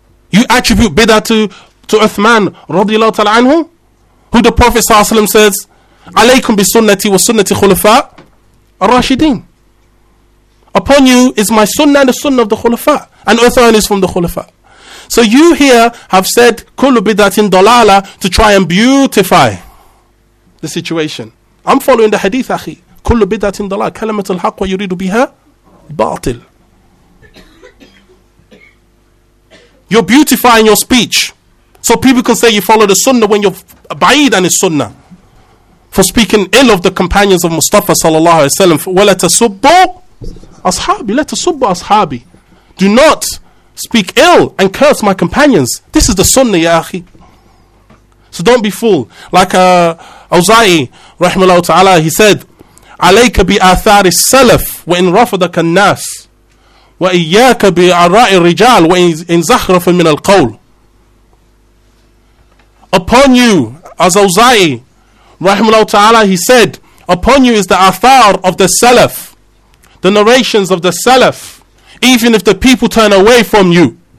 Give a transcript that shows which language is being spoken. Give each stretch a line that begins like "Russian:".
English: You attribute bid'ah to Uthman radiallahu ta'ala anhu, who the Prophet sallallahu alayhi wa sallam says,
Arabic: alaykum bi sunnati wa sunnati khulafa ar-rashidin.
English: Upon you is my sunnah and the sunnah of the khulafa. And Uthman is from the khulafa. So you here have said
Arabic: kullu bid'atin dalala
English: to try and beautify the situation. I'm following the hadith, akhi.
Arabic: كل بدعة ضلال. كلمة الحق ويريد بها باطل.
English: You're beautifying your speech so people can say you follow the sunnah when you're
Arabic: بعيد عن السنة.
English: For speaking ill of the companions of Mustafa sallallahu alayhi wa sallam.
Arabic: وَلَا تَسُبُّوا أَصْحَابِي. لَا تَسُبُّوا أَصْحَابِي.
English: Do not speak ill and curse my companions. This is the sunnah, ya akhi. So don't be fooled. Like Awza'i, rahimahullah ta'ala, he said,
Arabic: عَلَيْكَ بِآثَارِ السَّلَفِ وَإِنْ رَفَضَكَ النَّاسِ وَإِيَّاكَ بِعَرَّاءِ الرِّجَالِ وَإِنْ زَخْرَفَ مِنَ الْقَوْلِ.
English: Upon you, as Awza'i, rahimahullah ta'ala, he said, upon you is the athar of the Salaf, the narrations of the Salaf, even if the people turn away from you.